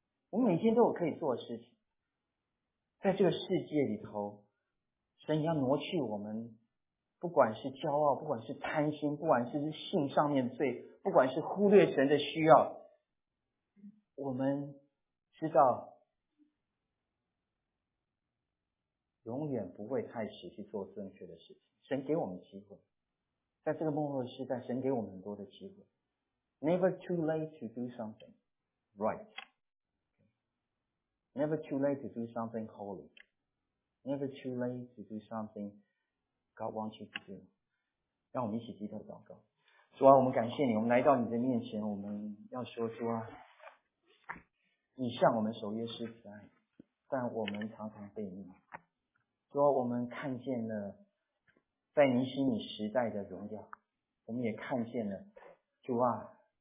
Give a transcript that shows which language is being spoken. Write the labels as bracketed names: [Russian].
[Chinese] 我们每天都有可以做的事情，在这个世界里头，神要挪去我们不管是骄傲，不管是贪心，不管是性上面的罪，不管是忽略神的需要，我们知道永远不会太迟去做正确的事情。神给我们机会，在这个末后的时代，神给我们很多的机会。 [English] Never too late to do something right, Never too late to do something holy, Never too late to do something God wants you to do. [Chinese] 让我们一起低头祷告。主啊，我们感谢你，我们来到你的面前，我们要说出啊，你向我们守约施慈爱，但我们常常背逆。主啊，我们看见了在尼西米时代的荣耀，我们也看见了主啊，